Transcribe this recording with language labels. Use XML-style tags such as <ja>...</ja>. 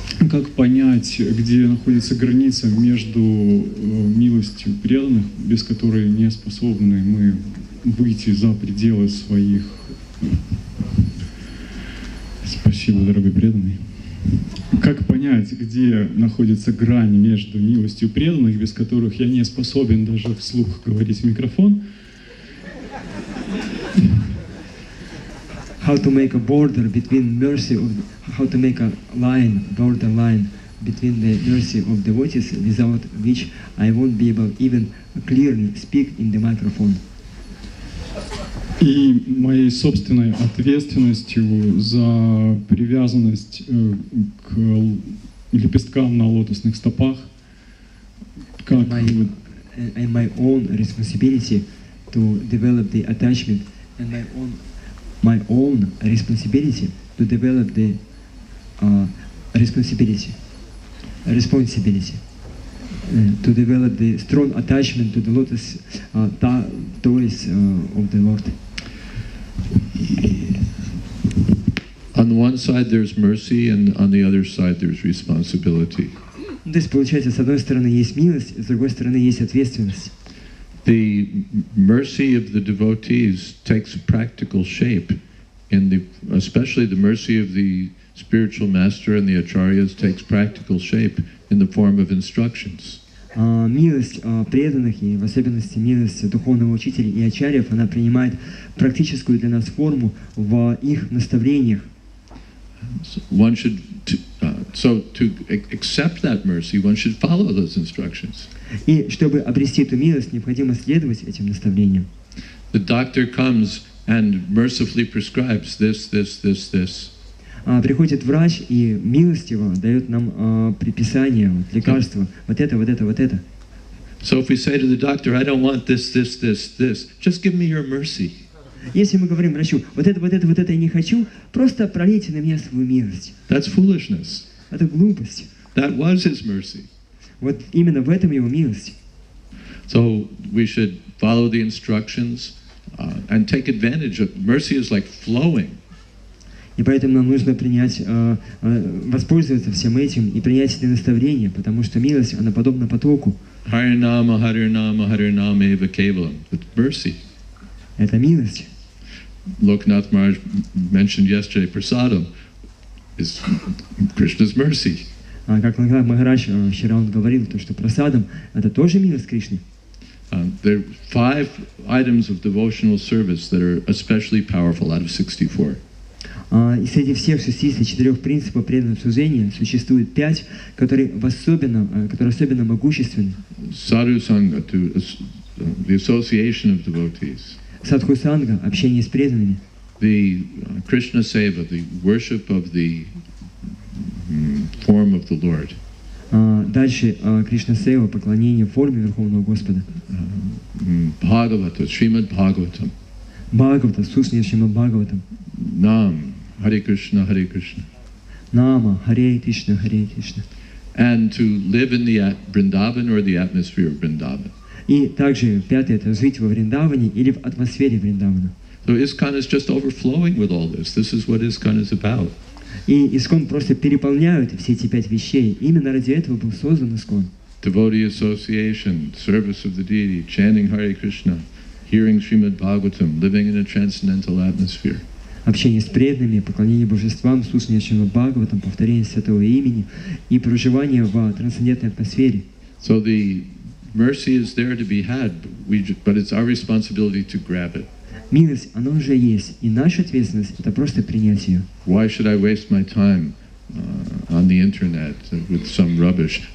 <ru>Как понять, где находится граница между милостью преданных, без которой не способны мы выйти за пределы своих. Спасибо, дорогой преданный. Как понять, где находится грань между милостью преданных, без которых я не способен даже вслух говорить в микрофон?</ru> <en>How to make a border between mercy of, how to make a line, border line between the mercy of devotees without which I won't be able even clearly speak in the microphone.</en> <ru>И моей собственной ответственностью за привязанность к лепесткам на лотосных стопах,</ru> <en>как and my own responsibility to develop the attachment and my own responsibility to develop the responsibility to develop the strong attachment to the lotus toys of the Lord. On the one side there's mercy and on the other side there's responsibility.</en> <ru>То есть получается, с одной стороны есть милость, с другой стороны есть ответственность.</ru> <en>The mercy of the devotees takes a practical shape, and especially the mercy of the spiritual master and the acharyas takes practical shape in the form of instructions.</en> <ru>Милость преданных и в особенности милость духовного учителя и ачарьев, она принимает практическую для нас форму в их наставлениях.</ru> <en>One should to accept that mercy, one should follow those instructions.</en> <ru>И чтобы обрести эту милость, необходимо следовать этим наставлениям.</ru> <en>The doctor comes and mercifully prescribes this.</en> <ru>Приходит врач и милостиво дает нам предписание, вот, лекарство, вот это.</ru> <en>So if we say to the doctor, I don't want this, just give me your mercy.</en> <ru>Если мы говорим врачу, вот это я не хочу, просто пролейте на меня свою милость.</ru> <en>That's foolishness.</en> <ru>Это глупость.</ru> <en>That was his mercy.</en> <ru>Вот именно в этом его милость.</ru> <en>So we should follow the instructions and take advantage of mercy is like flowing.</en> <ru>И поэтому нам нужно принять, воспользоваться всем этим и принять это наставление, потому что милость, она подобна потоку.</ru> <sa>Харинама, харинама, харинама, эва кевалам. Mercy.</sa> <ru>Это милость.</ru> <en>Локнат Мардж mentioned yesterday, prasadam is Krishna's mercy.</en> <ru>Как Локнат Мардж вчера он говорил, то, что прасадам — это тоже милость Кришны.</ru> <en>There are five items of devotional service that are especially powerful out of 64.</en> <ru>И среди всех 64 принципов преданного служения существует 5, которые особенно могущественны.</ru> <en>Sadhu Sangha, the association of devotees.</en> <ru>Садху Санга, общение с преданными.</ru> <en>The Krishna Seva, the worship of the form of the Lord.</en> <ru>Дальше Кришна Сева, поклонение форме Верховного Господа. Бхагавата, Шримад Бхагаватам. Бхагавата, Сусни Шримад Бхагаватам. Нам. Hare Krishna, Hare Krishna.</ru> <en>Nama, Hare Krishna, Hare Krishna. And to live in the Vrindavan or the atmosphere of Vrindavan.</en> <ru>И также пятое — это жить во Вриндаване или в атмосфере Вриндавана.</ru> <en>So ISKCON is just overflowing with all this. This is what ISKCON is about.</en> <ru>И ИСКОН просто переполняют все эти пять вещей. Именно ради этого был создан ИСКОН.</ru> <en>Devotee association, service of the deity, chanting Hare Krishna, hearing Srimad Bhagavatam, living in a transcendental atmosphere.</en> <ru>Общение с преданными, поклонение божествам, слушание Шримад Бхагаватам, повторение святого имени и проживание в трансцендентной атмосфере.</ru> <en>So the mercy is there to be had, but it's our responsibility to grab it.</en> <ru>Милость, она уже есть, и наша ответственность — это просто принять ее.</ru> <en>Why should I waste my time on the internet with some rubbish?</en>